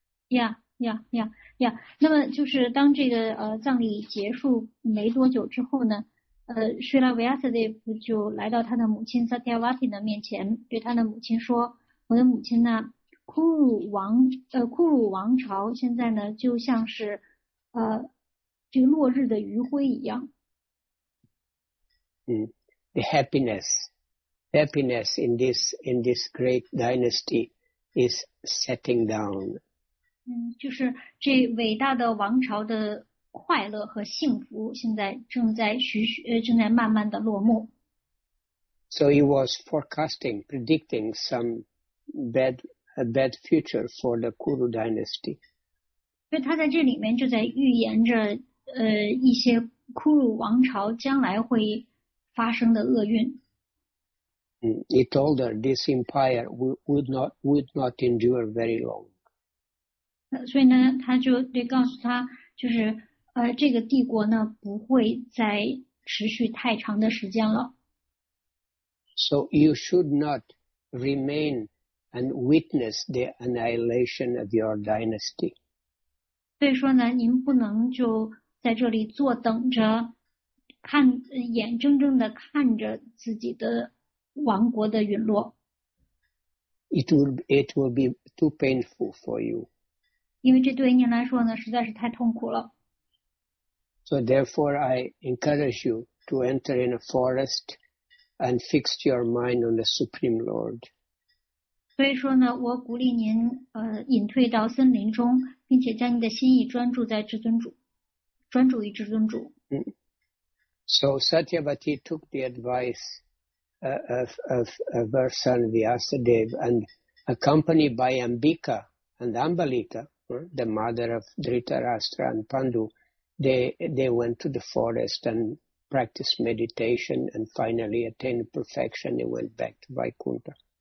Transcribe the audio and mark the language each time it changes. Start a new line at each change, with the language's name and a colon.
Chinese: Yeah. 那么就是当这个葬礼结束没多久之后呢，Srila Vyasadeva 就来到他的母亲 Satyavati 的面前，对他的母亲说：“我的母亲呢，库鲁王朝现在呢就像是这个落日的余晖一样。”
English: The happiness in this great dynasty is setting down.
Chinese: 就是这伟大的王朝的快乐和幸福现在正在慢慢的落幕。
English: So he was forecasting, predicting some bad future for the Kuru dynasty.
Chinese: 所以他在这里面就在预言着一些库鲁王朝将来会发生的厄运。
English: He told her this empire would not endure very long.
Chinese: 所以呢，他就得告诉他，就是这个帝国呢不会再持续太长的时间了。
English: So you should not remain and witness the annihilation of your dynasty.
Chinese: 所以说呢，您不能就在这里坐等着。眼睁睁的看着自己的王国的陨落。
English: It will be too painful for you.
Chinese: 因为这对您来说呢，实在是太痛苦了。
English: So therefore, I encourage you to enter in a forest and fix your mind on the Supreme Lord.
Chinese: 所以说呢，我鼓励您隐退到森林中，并且将您的心意专注在至尊主，专注于至尊主。
English: So Satyavati took the advice of Varsan Vyasadeva and accompanied by Ambika and Ambalika, the mother of Dhritarashtra and Pandu, they went to the forest and practiced meditation and finally attained perfection and went back to Vaikuntha.